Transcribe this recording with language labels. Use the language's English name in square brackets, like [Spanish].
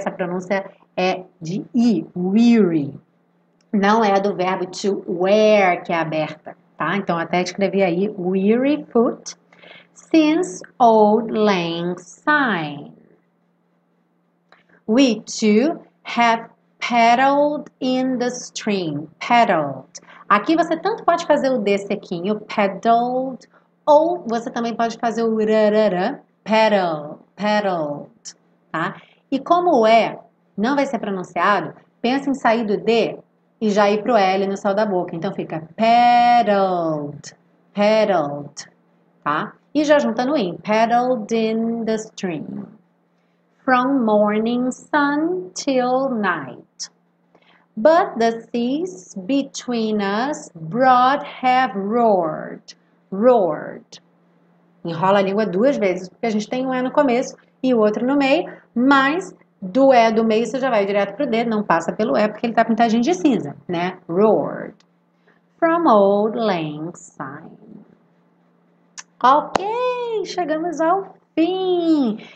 [Portuguese] Essa pronúncia é de I, weary, não é do verbo to wear que é aberta. Tá? Então, até escrevi aí, [English] weary foot, since auld lang syne. We too have paddled in the stream, paddled. [Portuguese] Aqui você tanto pode fazer o D sequinho, paddled, ou você também pode fazer o rarara, paddled, tá? E como o E não vai ser pronunciado, pensa em sair do D e já ir pro L no céu da boca. Então fica paddled, paddled, tá? E já junta no in, [English] paddled in the stream. From morning sun till night. But the seas between us broad have roared, roared. [Portuguese] Enrola a língua duas vezes, porque a gente tem um E no começo e o outro no meio, mas do E do meio você já vai direto pro D, não passa pelo E porque ele tá pintadinho de cinza, né? Roared. [English] From auld lang syne. [Portuguese] Ok, chegamos ao fim.